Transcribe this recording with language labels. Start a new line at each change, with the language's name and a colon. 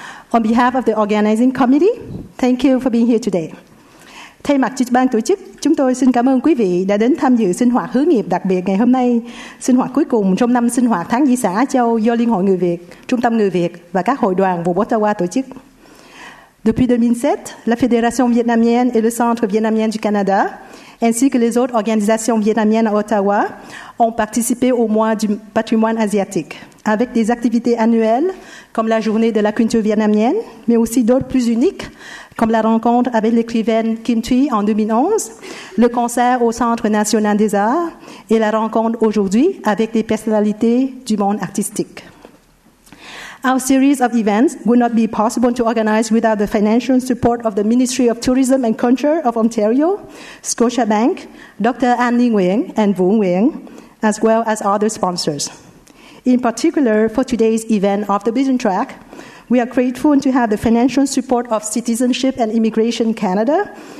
English: On behalf of the organizing committee, thank you for being here today.
Vietnamese: Thay mặt ban tổ chức, chúng tôi xin cảm ơn quý vị đã đến tham dự sinh hoạt hướng nghiệp đặc biệt ngày hôm nay, sinh hoạt cuối cùng trong năm sinh hoạt tháng di sản Á Châu do Liên hội Người Việt, Trung tâm Người Việt và các hội đoàn vùng Ottawa tổ chức.
French: Depuis 2007, la Fédération vietnamienne et le Centre vietnamien du Canada, ainsi que les autres organisations vietnamiennes à Ottawa, ont participé au mois du patrimoine asiatique, avec des activités annuelles, comme la journée de la culture vietnamienne, mais aussi d'autres plus uniques, comme la rencontre avec l'écrivaine Kim Thuy en 2011, le concert au Centre national des arts, et la rencontre aujourd'hui avec des personnalités du monde artistique.
English: Our series of events would not be possible to organize without the financial support of the Ministry of Tourism and Culture of Ontario, Scotiabank, Dr. An Ninh Nguyen and Vu Nguyen, as well as other sponsors. In particular, for today's event off the beaten track, we are grateful to have the financial support of Citizenship and Immigration Canada.